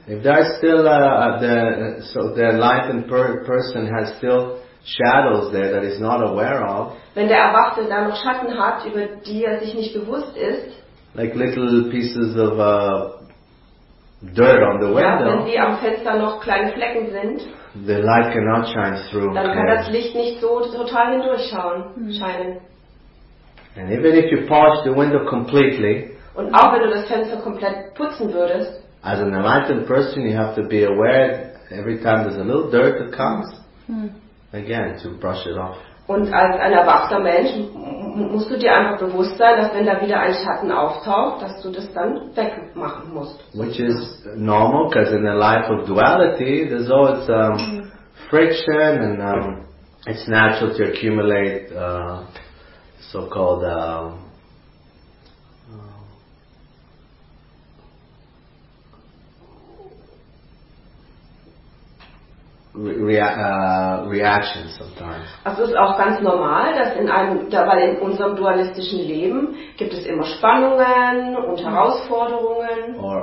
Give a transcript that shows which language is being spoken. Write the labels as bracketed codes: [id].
[en] If there is still the enlightened person has still shadows there that he's not aware of. [de] Wenn der Erwachte da noch Schatten hat, über die er sich nicht bewusst ist. [en] Like little pieces of dirt on the window. [de] Ja, wenn die am Fenster noch kleine Flecken sind. [en] The light cannot shine through. [de] Dann kann das Licht nicht so total hindurchschauen scheinen. [en] And even if you polish the window completely. [de] Und auch wenn du das Fenster komplett putzen würdest. [en] As an enlightened person, you have to be aware every time there's a little dirt that comes. Again, to brush it off. [de] Und als ein erwachter Mensch musst du dir einfach bewusst sein, dass wenn da wieder ein Schatten auftaucht, dass du das dann wegmachen musst. [en] Which is normal, because in a life of duality, there's always friction, and it's natural to accumulate so-called reactions sometimes. [de] Also ist auch ganz normal, dass weil in unserem dualistischen Leben gibt es immer Spannungen und Herausforderungen.